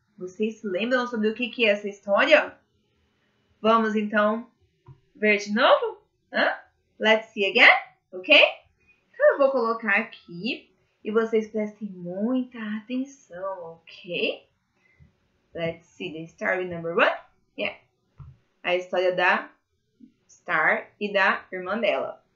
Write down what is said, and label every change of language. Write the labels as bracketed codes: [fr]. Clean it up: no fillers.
[pt] Vocês se lembram sobre o que é essa história? Vamos então ver de novo? Huh? [en] Let's see again, ok? [pt] Então eu vou colocar aqui e vocês prestem muita atenção, ok? [en] Let's see the story number one. Yeah. [pt] A história da Star e da irmã dela.